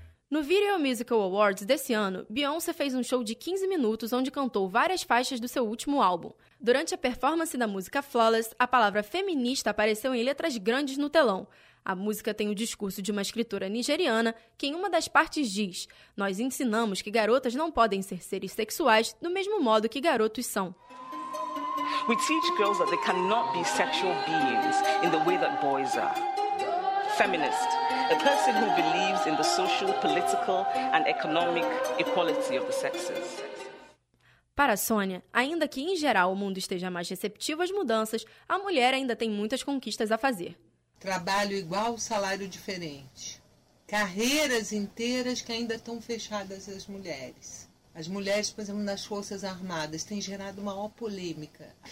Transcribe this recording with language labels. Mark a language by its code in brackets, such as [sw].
[pt] No Video Musical Awards desse ano, Beyoncé fez um show de 15 minutos onde cantou várias faixas do seu último álbum. Durante a performance da música Flawless, a palavra feminista apareceu em letras grandes no telão. A música tem o discurso de uma escritora nigeriana que em uma das partes diz: "Nós ensinamos que garotas não podem ser seres sexuais do mesmo modo que garotos são." [en] We teach girls that they cannot be sexual beings in the way that boys are. Feminist, a person who believes in the social, political and economic equality of the sexes. [pt] Para Sônia, ainda que em geral o mundo esteja mais receptivo às mudanças, a mulher ainda tem muitas conquistas a fazer. Trabalho igual, salário diferente. Carreiras inteiras que ainda estão fechadas às mulheres. As mulheres, por exemplo, nas Forças Armadas, têm gerado maior polêmica.